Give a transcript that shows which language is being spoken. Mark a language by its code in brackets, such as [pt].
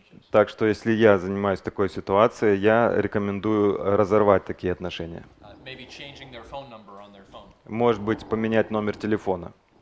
[ru] Так что если я занимаюсь такой ситуацией, я рекомендую разорвать такие отношения. [en] Maybe changing their phone number on their phone. [ru] Может быть, поменять номер телефона.